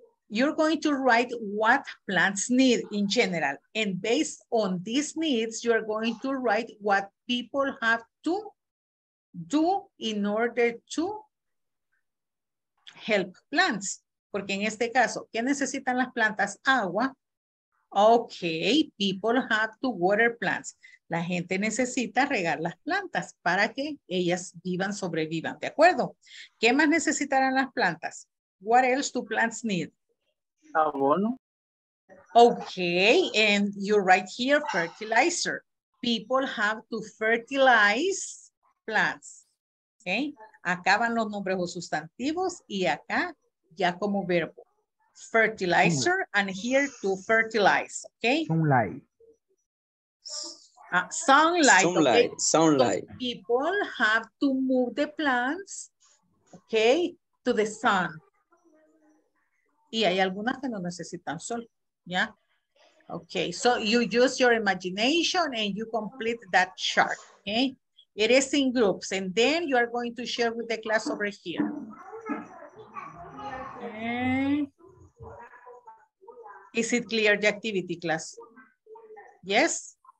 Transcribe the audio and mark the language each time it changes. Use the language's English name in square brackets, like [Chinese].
[English] You're going to write what plants need in general. And based on these needs, you're going to write what people have to do in order to help plants. [Spanish] Porque en este caso, ¿qué necesitan las plantas? Agua. [English] Okay, people have to water plants. [Spanish] La gente necesita regar las plantas para que ellas vivan, sobrevivan. ¿De acuerdo? ¿Qué más necesitarán las plantas? [English] What else do plants need? Okay, and you write here fertilizer. People have to fertilize plants. [Spanish] Okay, acá van los nombres o sustantivos y acá ya como verbo. [English] Fertilizer and here to fertilize. Okay, sunlight. Sunlight. Sunlight. Okay? Sunlight. People have to move the plants, okay, to the sun. [Spanish] Y hay algunas que no necesitan sol, ¿ya? [English] Okay, so you use your imagination and you complete that chart, okay? It is in groups, and then you are going to share with the class over here. Okay. Is it clear the activity, class? Yes?